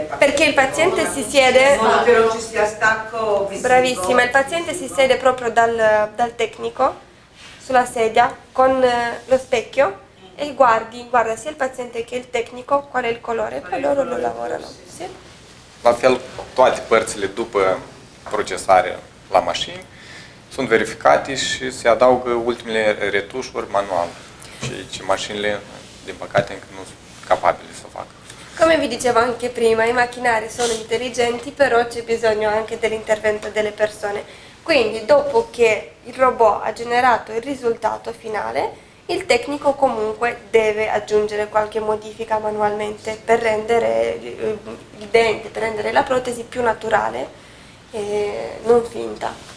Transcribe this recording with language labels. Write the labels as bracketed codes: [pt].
[it] il paziente. Perché il paziente si siede, che non ci sia stacco visivo. Bravissima, il paziente si siede proprio dal tecnico sulla sedia con lo specchio e guarda sia il paziente che il tecnico qual è il colore, poi loro lo lavorano. Sì. [ro] La fel toate părțile după procesare la mașini sunt verificate și se adaugă ultimele retușuri manual. Și mașinile, din păcate, încă nu sunt capabile să facă. [it] Come vi dicevo anche prima, i macchinari sono intelligenti, però c'è bisogno anche dell'intervento delle persone. Quindi, dopo che il robot ha generato il risultato finale, il tecnico comunque deve aggiungere qualche modifica manualmente per rendere il dente, per rendere la protesi più naturale e non finta.